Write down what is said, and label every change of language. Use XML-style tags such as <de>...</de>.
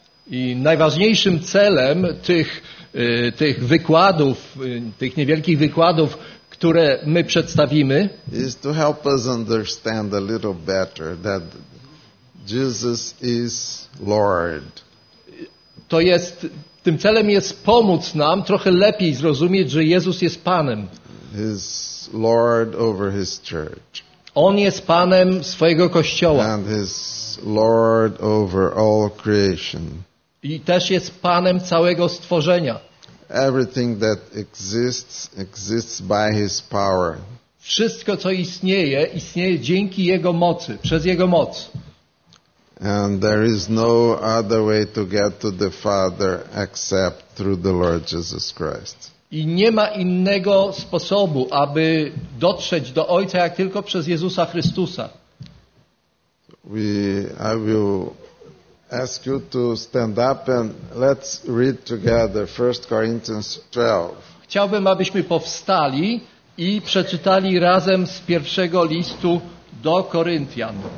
<pl>I najważniejszym celem tych wykładów, tych niewielkich wykładów, które my przedstawimy,</pl> <en>is to help us understand a little better that Jesus is Lord.</en> <pl>To jest, tym celem jest pomóc nam trochę lepiej zrozumieć, że Jezus jest Panem.</pl> <en>He's Lord over his church.</en> <pl>On jest Panem swojego Kościoła.</pl> <en>And he's Lord over all creation.</en> <pl>I też jest Panem całego stworzenia.</pl> <en>Everything that exists exists by his power.</en> <pl>Wszystko co istnieje, istnieje dzięki jego mocy, przez jego moc.</pl> <en>And there is no other way to get to the Father except through the Lord Jesus Christ.</en> <pl>I nie ma innego sposobu, aby dotrzeć do Ojca jak tylko przez Jezusa Chrystusa.</pl> <en>I will ask you to stand up and let's read together 1 Corinthians 12.</en> <pl>Chciałbym, abyśmy powstali i przeczytali razem z pierwszego listu do Koryntian.</pl>